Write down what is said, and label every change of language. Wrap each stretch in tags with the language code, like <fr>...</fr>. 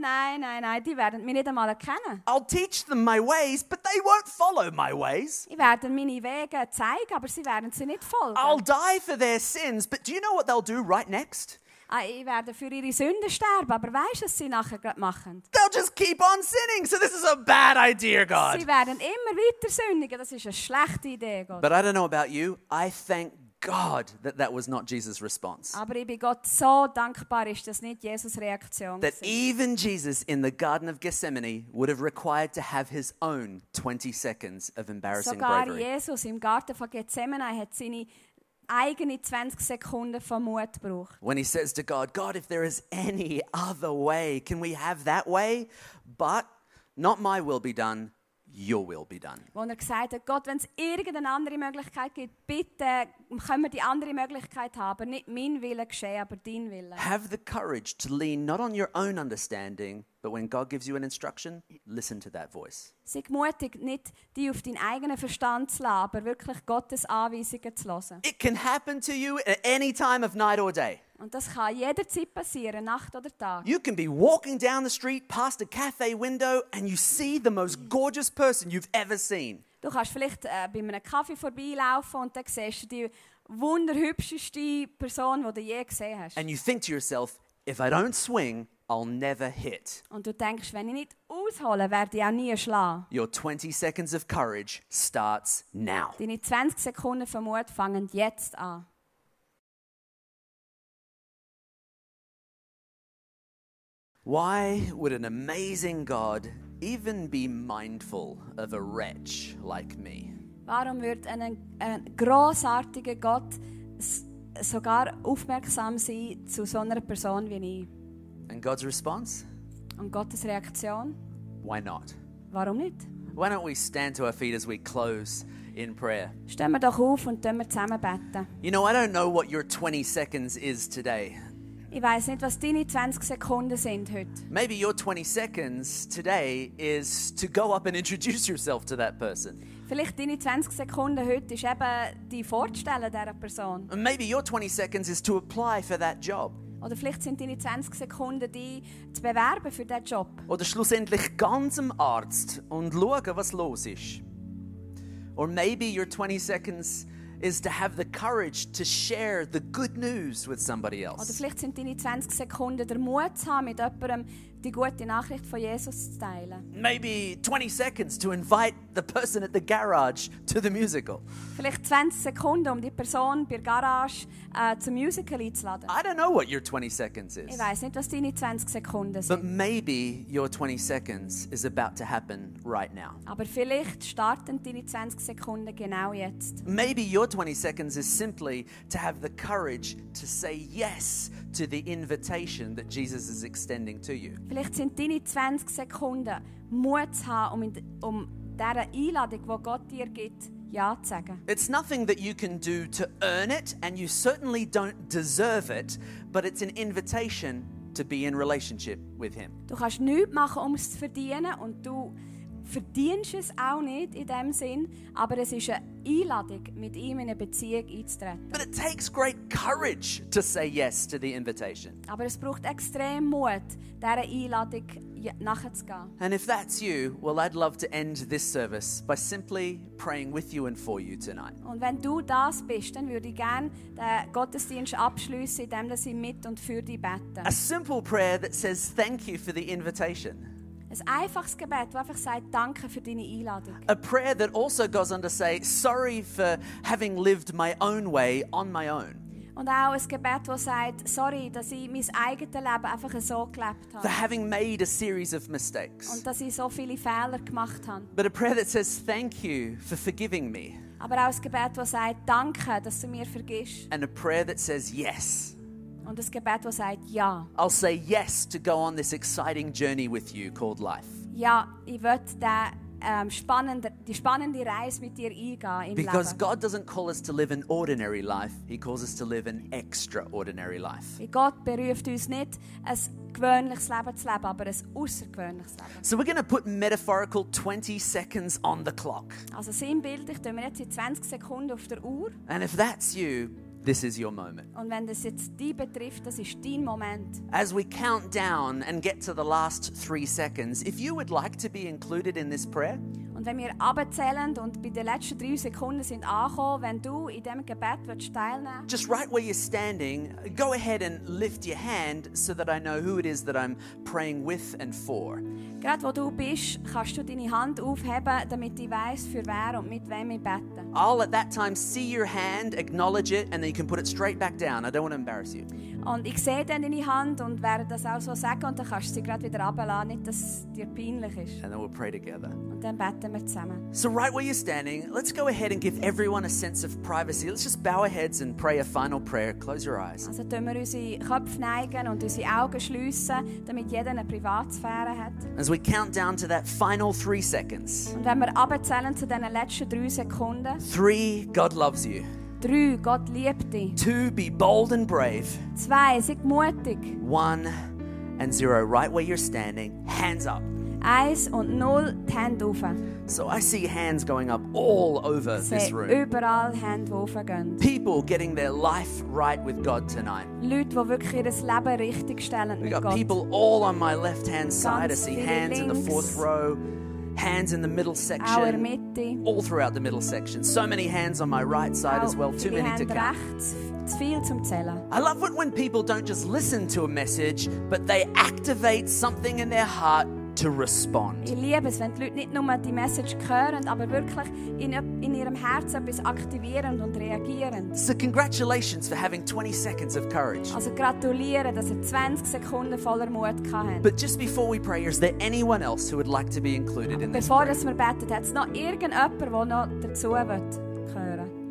<de>Nein, nein, nein, die werden mich nicht einmal erkennen.</de> <en>I'll teach them my ways, but they won't follow my ways.</en> <de>Ich werde meine Wege zeigen, aber sie werden sie nicht folgen.</de> <en>I'll die for their sins, but do you know what they'll do right next?</en> <de>Ich werde für ihre Sünden sterben, aber weißt du, was sie nachher gerade machen?</de> <en>They'll just keep on sinning, so this is a bad idea, God.</en> <de>Sie werden immer weiter sündigen, das ist eine schlechte Idee, Gott.</de> <en>But I don't know about you, I thank God, that was not Jesus' response.</en> <de>Aber ich bin Gott so dankbar, ist das nicht Jesus' Reaktion.</de> <en>That even Jesus in the Garden of Gethsemane would have required to have his own 20 seconds of embarrassing</en> <de>sogar</de> <en>bravery.</en> <de>Sogar Jesus im Garten von Gethsemane hat seine eigene 20 Sekunden von Mut gebraucht.</de> <en>When he says to God, "God, if there is any other way, can we have that way? But not my will be done. Your will be done."</en> <de>Wo er gesagt hat, Gott, wenn es irgendeine andere Möglichkeit gibt, bitte können wir die andere Möglichkeit haben, nicht mein Wille geschehen, aber dein Wille.</de> <en>Have the courage to lean not on your own understanding, but when God gives you an instruction, listen to that voice.</en> <de>Sei mutig, nicht dich auf deinen eigenen Verstand zu lassen, aber wirklich Gottes Anweisungen zu hören.</de> <en>It can happen to you at any time of night or day.</en> <de>Und das kann jederzeit passieren, Nacht oder Tag.</de> <en>You can be walking down the street past a cafe window and you see the most gorgeous person you've ever seen.</en> <de>Du kannst vielleicht bei einem Kaffee vorbeilaufen und dann siehst du die wunderhübscheste Person, die du je gesehen hast.</de> <en>And you think to yourself, "If I don't swing, I'll never hit."</en> <de>Und du denkst, wenn ich nicht aushole, werde ich auch nie schlagen.</de> <en>Your 20 seconds of courage starts now.</en> <de>Deine 20 Sekunden von Mut fangen jetzt an.</de> <en>Why would an amazing God even be mindful of a wretch like me?</en> <de>Warum wird ein grossartiger Gott sogar aufmerksam sein zu so einer Person wie ich?</de> <en>And God's response?</en> <de>Und Gottes Reaktion?</de> <en>Why not?</en> <de>Warum nicht?</de> <en>Why don't we stand to our feet as we close in prayer?</en> <de>Stehen wir doch auf und tun wir zusammen beten.</de> <en>You know, I don't know what your 20 seconds is today.</en> <de>Ich weiß nicht, was deine 20 Sekunden sind heute.</de> <en>Maybe your 20 seconds today is to go up and introduce yourself to that person.</en> <de>Vielleicht deine 20 Sekunden heute ist eben die Vorstellung dieser Person.</de> <en>And maybe your 20 seconds is to apply for that job.</en> <de>Oder vielleicht sind deine 20 Sekunden die zu bewerben für diesen Job. Oder schlussendlich ganz am Arzt und schauen, was los ist.</de> <en>Or maybe your 20 seconds is to have the courage to share the good news with somebody else.</en> <de>Oder vielleicht sind deine 20 Sekunden der Mut zu haben, mit jemandem die gute Nachricht von Jesus zu teilen.</de> <en>Maybe 20 seconds to invite the person at the garage to the musical.</en> <de>Vielleicht 20 Sekunden, um die Person bei der Garage zum Musical einzuladen.</de> <en>I don't know what your 20 seconds is.</en> <de>Ich weiß nicht, was deine 20 Sekunden sind.</de> <en>But maybe your 20 seconds is about to happen right now.</en> <de>Aber vielleicht starten deine 20 Sekunden genau jetzt.</de> <en>Maybe your 20 seconds is simply to have the courage to say yes to the invitation that Jesus is extending to you.</en> <de>Vielleicht sind deine 20 Sekunden Mut zu haben, um dieser Einladung, die Gott dir gibt, ja zu sagen.</de> <en>It's nothing that you can do to earn it, and you certainly don't deserve it, but it's an invitation to be in relationship with him.</en> <de>Du kannst nichts machen, um es zu verdienen, und du verdienst es auch nicht in dem Sinn, aber es ist eine Einladung, mit ihm in eine Beziehung einzutreten.</de> <en>But it takes great courage to say yes to the invitation.</en> <de>Aber es braucht extrem Mut, dieser Einladung nachzugehen.</de> <en>And if that's you, well, I'd love to end this service by simply praying with you and for you tonight.</en> <de>Und wenn du das bist, dann würde ich gerne den Gottesdienst abschließen, indem ich mit und für dich bete.</de> <en>A simple prayer that says thank you for the invitation.</en> <de>Ein einfaches Gebet, das einfach sagt, danke für deine Einladung.</de> <en>A prayer that also goes on to say, sorry for having lived my own way on my own.</en> <de>Und auch ein Gebet, das sagt, sorry, dass ich mein eigenes Leben einfach so gelebt habe.</de> <en>For having made a series of mistakes.</en> <de>Und dass ich so viele Fehler gemacht habe.</de> <en>But a prayer that says, thank you for forgiving me.</en> <de>Aber auch ein Gebet, das sagt, danke, dass du mir vergisst.</de> <en>And a prayer that says, yes.</en> <de>Und das Gebet, das sagt, ja.</de> <en>I'll say yes to go on this exciting journey with you called life.</en> <de>Ja, ich würde die spannende Reise mit dir eingehen im Leben.</de> <en>Because God doesn't call us to live an ordinary life, he calls us to live an extraordinary life.</en> <de>Gott beruft uns nicht, ein gewöhnliches Leben zu leben, aber ein außergewöhnliches Leben.</de> <en>So we're going to put metaphorical 20 seconds on the clock.</en> <de>Also sinnbildlich tun wir jetzt die 20 Sekunden auf der Uhr.</de> <en>And if that's you, this is your moment.</en> <de>Und wenn das jetzt dich betrifft, das ist dein Moment.</de> <en>As we count down and get to the last 3 seconds, if you would like to be included in this prayer.</en> <de>Und wenn wir abzählen und bei den letzten 3 Sekunden sind angekommen, wenn du in dem Gebet willst teilnehmen.</de> <en>Just right where you're standing, go ahead and lift your hand so that I know who it is that I'm praying with and for.</en> <de>Gerade wo du bist, kannst du deine Hand aufheben, damit ich weiss, für wer und mit wem ich bete.</de> <en>I'll at that time see your hand, acknowledge it, and then you can put it straight back down. I don't want to embarrass you.</en> <de>Und ich sehe dann deine Hand und werde das auch so sagen und dann kannst du sie gerade wieder runterlassen, nicht dass es dir peinlich ist.</de> <en>And then we'll pray together.</en> <de>Und dann beten wir zusammen.</de> <en>So right where you're standing, let's go ahead and give everyone a sense of privacy. Let's just bow our heads and pray a final prayer. Close your eyes.</en> <de>Also tun wir unsere Köpfe neigen und unsere Augen schliessen, damit jeder eine Privatsphäre hat.</de> <en>As we count down to that final 3 seconds.</en> <de>Und wenn wir runterzählen zu den letzten 3 Sekunden.</de> <en>3, God loves you.</en> <de>3, Gott liebt dich.</de> <en>2, be bold and brave.</en> <de>2, sei mutig.</de> <en>1 and 0, right where you're standing, hands up.</en> <de>1 und 0, die Hände auf.</de> <en>So I see hands going up all over this room.</en> <de>Überall Hände, die aufgehen.</de> <en>People getting their life right with God tonight.</en> <de>Leute, die wirklich ihr Leben richtig stellen mit Gott.</de> <en>We got people all on my left hand side. I see hands</en> <de>links.</de> <en>In the fourth row. Hands in the middle section,</en> <de>Mitte.</de> <en>All throughout the middle section. So many hands on my right side</en> <de>auch</de> <en>as well, too many to count.</en> <de>Zu viel zum Zählen.</de> <en>I love it when people don't just listen to a message, but they activate something in their heart to respond.</en> <de>Ich liebe es, wenn die Leute nicht nur die Message hören, aber wirklich in ihrem Herzen etwas aktivieren und reagieren.</de> <en>So congratulations for having 20 seconds of courage.</en> <de>Also gratuliere, dass ihr 20 Sekunden voller Mut gehabt.</de> <en>But just before we pray, is there anyone else who would like to be included in this prayer?</en> <de>Bevor wir beten, hat es noch irgendjemand, der noch dazu wird hören?</de>